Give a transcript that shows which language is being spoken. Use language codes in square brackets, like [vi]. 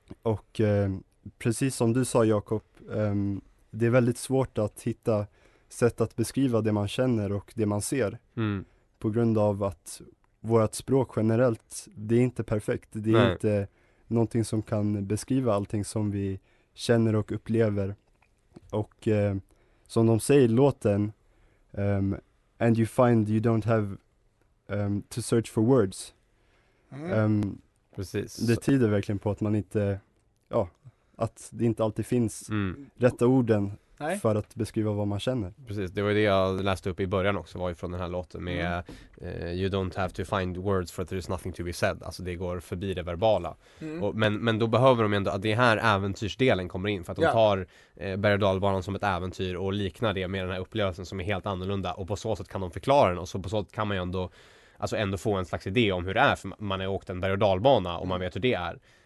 [sv] Och precis som du sa, Jakob, det är väldigt svårt att hitta sätt att beskriva det man känner och det man ser. Mm. På grund av att vårt språk generellt, det är inte perfekt. Det är inte någonting som kan beskriva allting som vi känner och upplever. Och som de säger i låten, [en] and you find you don't have to search for words. [sv] Precis. Det tyder verkligen på att man inte... Ja, att det inte alltid finns rätta orden. Nej. För att beskriva vad man känner. Precis, det var det jag läste upp i början också, var ju från den här låten med [en] you don't have to find words for there is nothing to be said. [sv] Alltså det går förbi det verbala. Och, men då behöver de ändå att det här äventyrsdelen kommer in, för att de tar berg- och dalbanan som ett äventyr och liknar det med den här upplevelsen som är helt annorlunda, och på så sätt kan de förklara den, och så på så sätt kan man ju ändå, alltså ändå få en slags idé om hur det är, för man har åkt en berg- och dalbana och man vet hur det är.